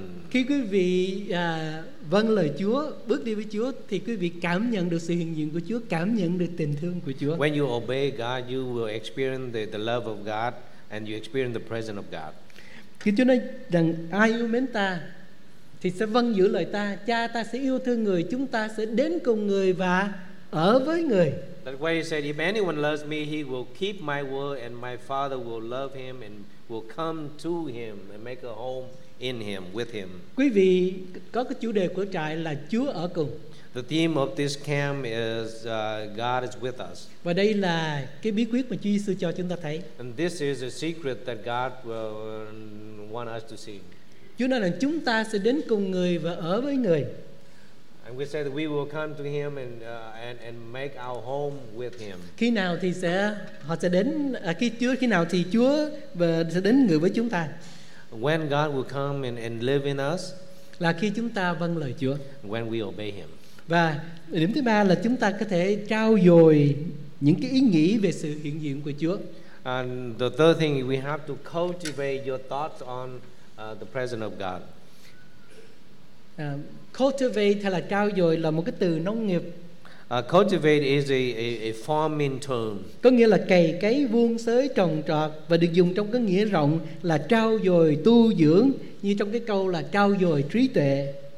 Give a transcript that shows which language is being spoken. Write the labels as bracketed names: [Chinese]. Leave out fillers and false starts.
[Vietnamese] Khi quý vị vâng lời Chúa, bước đi với Chúa thì quý vị cảm nhận được sự hiện diện của Chúa, cảm nhận được tình thương của Chúa. [English] When you obey God, you will experience the love of God and you experience the presence of God. [Vietnamese] Khi Chúa nói rằng ai yêu mến ta thì sẽ vâng giữ lời ta, cha ta sẽ yêu thương người, chúng ta sẽ đến cùng người và ở với người. [English] That way he said, if anyone loves me, he will keep my word, and my Father will love him and will come to him and make a home in him, with him. [Vietnamese] Quý vị có cái chủ đề của trại là Chúa ở cùng. [English] The theme of this camp is God is with us. [Vietnamese] Và đây là cái bí quyết mà Chúa Giêsu cho chúng ta thấy. [English] And this is a secret that God will want us to see. [Vietnamese] Chúa nói là chúng ta sẽ đến cùng người và ở với người. [English] And we say that we will come to him and make our home with him. [Vietnamese] Khi nào thì sẽ họ sẽ đến khi nào thì Chúa sẽ đến người với chúng ta. [English] When God will come and live in us. [Vietnamese] Là khi chúng ta vâng lời Chúa. [English] When we obey him. [Vietnamese] Và điểm thứ ba là chúng ta có thể trao dồi những cái ý nghĩ về sự hiện diện của Chúa. [English] And the third thing, we have to cultivate your thoughts on the presence of God. [Vietnamese] Cultivate hay là trao dồi là một cái từ nông nghiệp. [English] Cultivate is a farming term. [Vietnamese] Có nghĩa là cày cấy, vuông xới, trồng trọt, và được dùng trong cái nghĩa rộng là trao dồi, tu dưỡng, như trong cái câu là trao dồi trí tuệ.